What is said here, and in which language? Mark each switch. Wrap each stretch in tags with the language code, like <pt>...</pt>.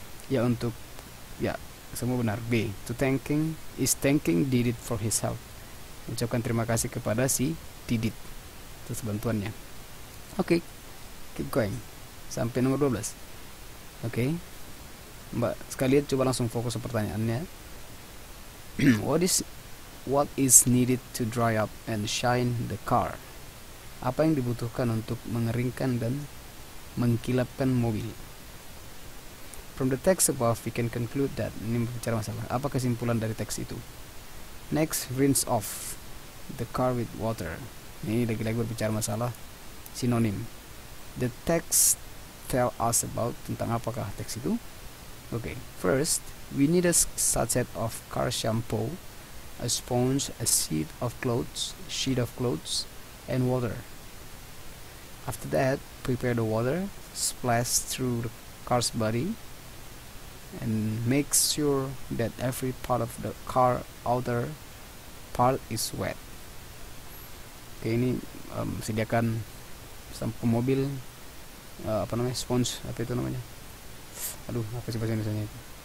<id>Ya, untuk, ya, semua benar.</id> <en>B, to thanking, is thanking Didit for his help.</en> <id>Ucapkan terima kasih kepada si Didit atas bantuannya. Oke, okay,</id> <en>keep going.</en> <id>Sampai nomor 12. Oke, okay. Mbak, sekalian coba langsung fokus ke pertanyaannya.</id> <en>What is needed to dry up and shine the car?</en> <id>Apa yang dibutuhkan untuk mengeringkan dan mengkilapkan mobil?</id> <en>From the text above, we can conclude that,</en> <id>ini berbicara masalah, apa kesimpulan dari teks itu?</id> <en>Next, rinse off the car with water.</en> <id>Ini lagi-lagi berbicara masalah sinonim.</id> <en>The text tell us about,</en> <id>tentang apakah teks itu?</id> <en>Okay, first, we need a sachet of car shampoo, a sponge, a sheet of clothes, and water. After that, prepare the water, splash through the car's body, and make sure that every part of the car outer part is wet.</en> <id>Okay, ini sediakan sampo mobil, apa namanya, sponge, apa itu namanya? Aduh, apa sih bahasa Indonesia itu?</id>